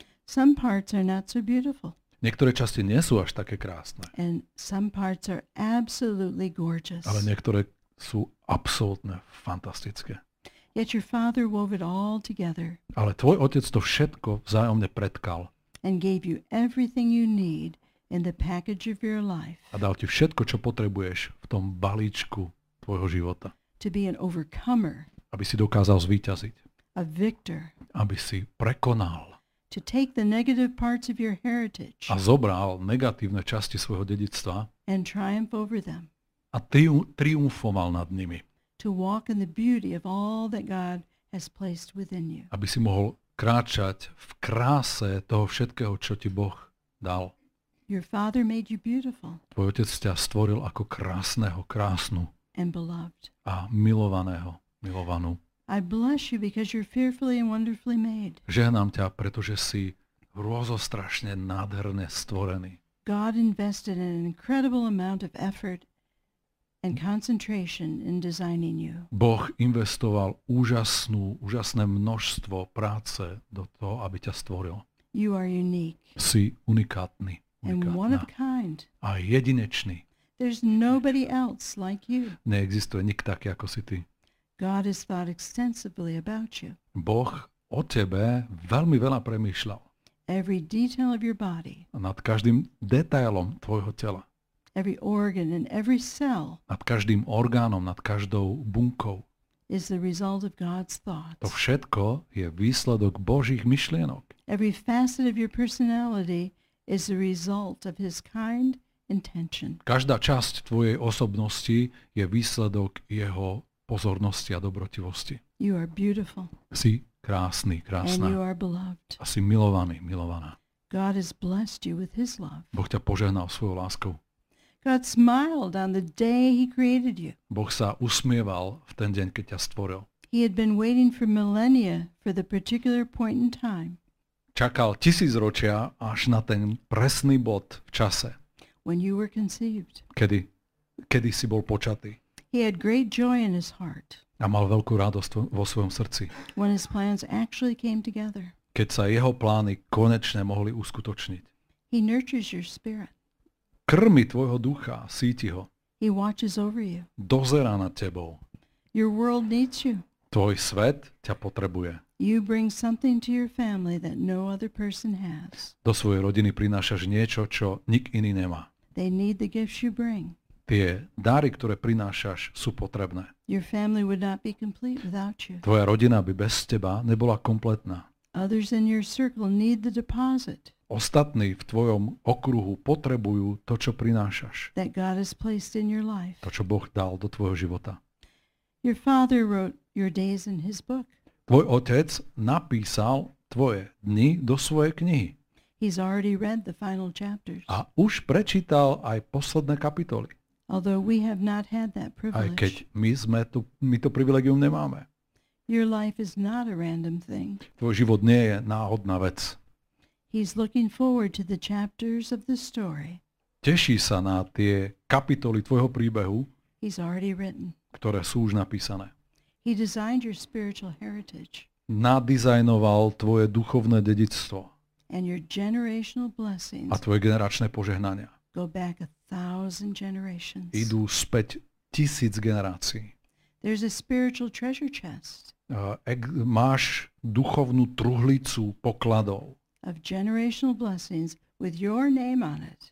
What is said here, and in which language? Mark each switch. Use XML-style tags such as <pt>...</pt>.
<en>Some parts are not so beautiful.</en> <sk>Niektoré časti nie sú až také krásne.</sk> <en>And some parts are absolutely gorgeous.</en> <sk>Ale niektoré sú absolútne fantastické.</sk> <en>Yet your father wove it all together.</en> <sk>Ale tvoj otec to všetko vzájomne pretkal.</sk> <en>And gave you everything you need in the package of your life.</en> <sk>A dal ti všetko, čo potrebuješ v tom balíčku tvojho života.</sk> <en>To be an overcomer.</en> <sk>Aby si dokázal zvíťaziť.</sk> <en>A victor.</en> <sk>Aby si prekonal.</sk> <en>To take the negative parts of your heritage.</en> <sk>A zobral negatívne časti svojho dedičstva.</sk> <en>And triumph over them.</en> <sk>A triumfoval nad nimi.</sk> <en>To walk in the beauty of all that God has placed within you.</en> <sk>Aby si mohol kráčať v kráse toho všetkého, čo ti Boh dal.</sk> <en>Your father made you beautiful.</en> <sk>Tvoj otec ťa stvoril ako krásneho, krásnu.</sk> <en>And beloved.</en> <sk>A milovaného, milovanú.</sk> <en>I bless you because you're fearfully and wonderfully made.</en> <sk>Žehnám ťa, pretože si hrozostrašne nádherne stvorený.</sk> <en>God invested an incredible amount of effort and concentration in designing you.</en> <sk>Boh investoval úžasné množstvo práce do toho, aby ťa stvoril.</sk> <en>You are unique.</en> <sk>Si unikátny.</sk> <en>And one of kind.</en> <sk>A jedinečný.</sk> <en>There's nobody else like you.</en> <sk>Neexistuje nikto taký ako si ty.</sk> <en>God has thought extensively about you.</en> <sk>Boh o tebe veľmi veľa premýšľal.</sk> <en>Every detail of your body.</en> <sk>Nad každým detailom tvojho tela.</sk> <en>Every organ and every cell.</en> <sk>Nad každým orgánom, nad každou bunkou.</sk> <en>Is the result of God's thoughts.</en> <sk>To všetko je výsledok Božích myšlienok.</sk> <en>Every facet of your personality is the result of his kind intention.</en> <sk>Každá časť tvojej osobnosti je výsledok jeho pozornosti a dobrotivosti.</sk> <en>You are beautiful.</en> <sk>Si krásny, krásna.</sk> <en>And you are beloved.</en> <sk>A si milovaný, milovaná.</sk> <en>God has blessed you with his love.</en> <sk>Boh ťa požehnal svojou láskou.</sk> <en>God smiled on the day he created you.</en> <sk>Boh sa usmieval v ten deň, keď ťa stvoril.</sk> <en>He had been waiting for millennia for the particular point in time.</en> <sk>Čakal tisícročia až na ten presný bod v čase.</sk> <en>When you were conceived.</en> <sk>Kedy si bol počatý.</sk> <en>He had great joy in his heart.</en> <sk>A mal veľkú radosť vo svojom srdci.</sk> <en>When his plans actually came together.</en> <sk>Keď sa jeho plány konečne mohli uskutočniť.</sk> <en>He nurtures your spirit.</en> <sk>Krmi tvojho ducha, síti ho.</sk> <en>He watches over you.</en> <sk>Dozerá nad tebou.</sk> <en>Your world needs you.</en> <sk>Tvoj svet ťa potrebuje.</sk> <en>You bring something to your family that no other person has.</en> <sk>Do svojej rodiny prinášaš niečo, čo nik iný nemá.</sk> <en>They need the gifts you bring.</en> <sk>Tie dary, ktoré prinášaš, sú potrebné.</sk> <en>Your family would not be complete without you.</en> <sk>Tvoja rodina by bez teba nebola kompletná.</sk> <en>Others in your circle need the deposit.</en> <sk>Ostatní v tvojom okruhu potrebujú to, čo prinášaš.</sk> <en>That God has placed in your life.</en> <sk>To, čo Boh dal do tvojho života.</sk> <en>Your father wrote your days in his book.</en> <sk>Tvoj otec napísal tvoje dni do svojej knihy.</sk> <en>He's already read the final chapters.</en> <sk>A už prečítal aj posledné kapitoly.</sk> <en>Although we have not had that privilege.</en> <sk>Aj keď my to privilegium nemáme.</sk> <en>Your life is not a random thing.</en> <sk>Tvoj život nie je náhodná vec.</sk> <en>He's looking forward to the chapters of the story.</en> <sk>Teší sa na tie kapitoly tvojho príbehu,</sk> <en>he's already written.</en> <sk>Ktoré sú už napísané.</sk> <en>He designed your spiritual heritage.</en> <sk>Nadizajnoval tvoje duchovné dedičstvo.</sk> <en>And your generational blessings.</en> <sk>A tvoje generačné požehnania.</sk> <en>Go back a thousand generations.</en> <sk>Idú späť tisíc generácií.</sk> <en>There's a spiritual treasure chest.</en> <sk>Máš duchovnú truhlicu pokladov.</sk> <en>Of generational blessings with your name on it.</en>